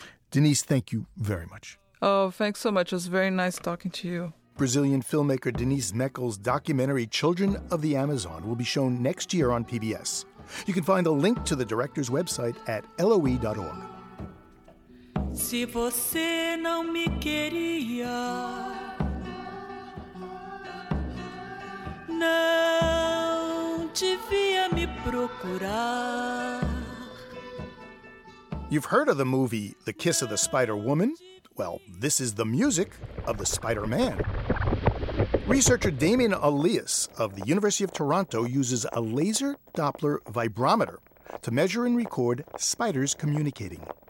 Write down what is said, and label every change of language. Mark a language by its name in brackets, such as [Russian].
[English] Denise, thank you very much. Oh, thanks so much. It was very nice talking to you. Brazilian filmmaker Denise Meckel's documentary Children of the Amazon will be shown next year on PBS. You can find a link to the director's website at loe.org. [Portuguese] Se você não me queria, não devia me procurar. [English] You've heard of the movie The Kiss of the Spider-Woman? Well, this is the music of the Spider-Man. Researcher Damien Elias of the University of Toronto uses a laser Doppler vibrometer to measure and record spiders communicating.